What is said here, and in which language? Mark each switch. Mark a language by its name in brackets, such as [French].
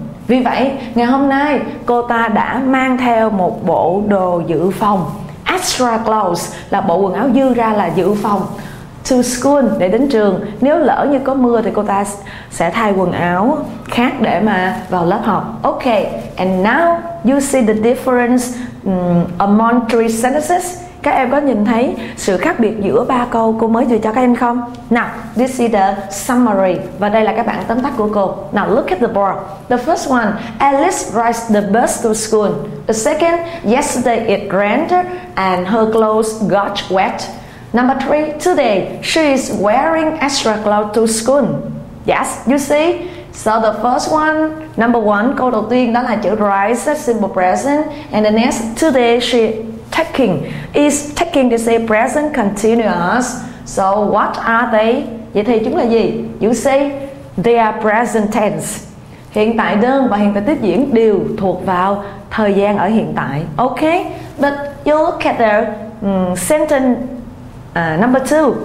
[Vietnamese] Vì vậy, ngày hôm nay cô ta đã mang theo một bộ đồ dự phòng. [English] Extra clothes [Vietnamese] là bộ quần áo dư ra là dự phòng [English] to school, [Vietnamese] để đến trường. Nếu lỡ như có mưa thì cô ta sẽ thay quần áo khác để mà vào lớp học. [English] Okay, and now you see the difference among three sentences. [Vietnamese] Các em có nhìn thấy sự khác biệt giữa ba câu cô mới vừa cho các em không? [English] Now, this is the summary. [Vietnamese] Và đây là các bạn tóm tắt của cô. [English] Now, look at the board. The first one, Alice rides the bus to school. The second, yesterday it rained and her clothes got wet. Number three, today she is wearing extra clothes to school. Yes, you see? So the first one, number one, [Vietnamese] câu đầu tiên đó là chữ [English] rise, simple present. And the next, today she taking is taking to say present continuous. So what are they? [Vietnamese] Vậy thì chúng là gì? [English] You say they are present tense. [Vietnamese] Hiện tại đơn và hiện tại tiếp diễn đều thuộc vào thời gian ở hiện tại. [English] Okay, but you look at the sentence number 2.